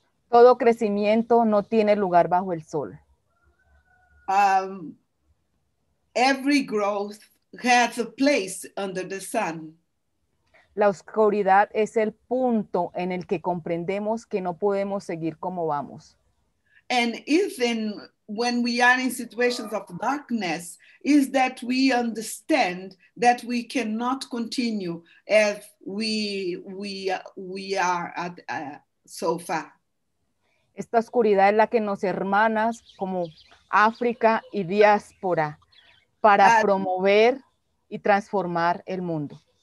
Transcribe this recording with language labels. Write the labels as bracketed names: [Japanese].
[Spanish] Todo crecimiento no tiene lugar bajo el sol. [English] Every growth has a place under the sun. [Spanish] La oscuridad es el punto en el que comprendemos que no podemos seguir como vamos. [English] And even when we are in situations of darkness, is that we understand that we cannot continue as we are at so far. [Spanish] Esta oscuridad es la que nos hermanas como África y diáspora para promover y transformar el mundo.